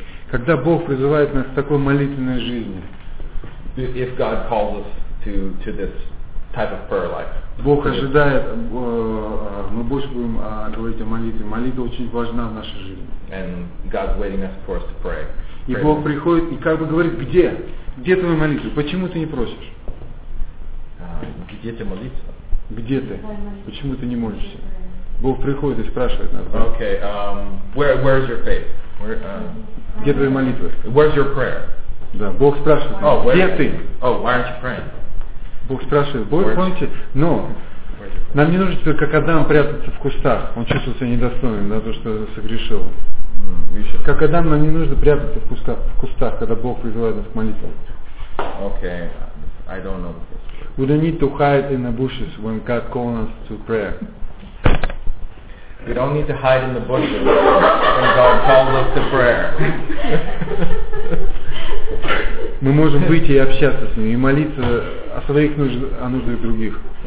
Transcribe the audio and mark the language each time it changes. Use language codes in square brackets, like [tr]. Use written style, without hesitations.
[ru] Когда Бог призывает нас к такой молитвенной жизни, [en] if God calls us to this type of prayer life. [ru] Бог ожидает, мы больше будем говорить о молитве. Молитва очень важна в нашей жизни. [en] And God's waiting for us to pray. [ru] И Бог приходит и как бы говорит, где? Где твоя молитва? Почему ты не просишь? Где ты молиться? Где ты? Почему ты не молишься? Бог приходит и спрашивает нас. [en] Okay, where is your faith? [ru] Где твоя молитва? [en] Where's your prayer? [ru] Да, Бог спрашивает, где ты? [en] Oh, why aren't you praying? [ru] Бог спрашивает, Бог, помните, но нам не нужно теперь, как Адам, прятаться в кустах. Он чувствовал себя недостойным за то, что согрешил. Как Адам, нам не нужно прятаться в кустах, когда Бог призывает нас к молитве. [en] Okay, I don't know this. We don't need to hide in the bushes when God calls us to prayer. We don't need to hide in the bushes when God calls us to prayer. [ru] Мы можем выйти и общаться с ними, и молиться о своих нуждах, о нуждах других.